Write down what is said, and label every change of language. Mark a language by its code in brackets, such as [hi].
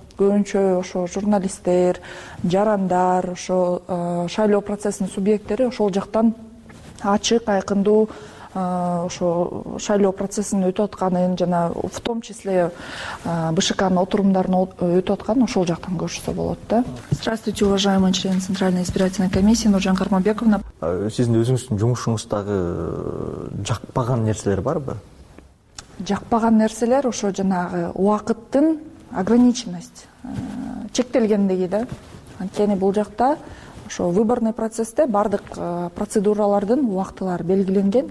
[ky] Көбүнчө ошо журналисттер, жарандар, ошо шайлоо процессинин субъекттери ошол жактан ачык, айкындуу ошо шайлоо процессинин өтүп атканын жана в том числе БШКнын отурумдарын өтүп атканын ошол жактан көрүшсө болот да. [ru] Здравствуйте, уважаемый член Центральной избирательной комиссии Нуржан Кармабековна. [ky] Сиздин өзүңүздүн жумушуңуздагы жакпаган нерселер барбы? Жакпаган нерселер ошо жанагы убакыттын ограниченность, чектелгендиги да. Анткени бул жакта ошо выборный процессте баардык процедуралардын убактылары белгиленген.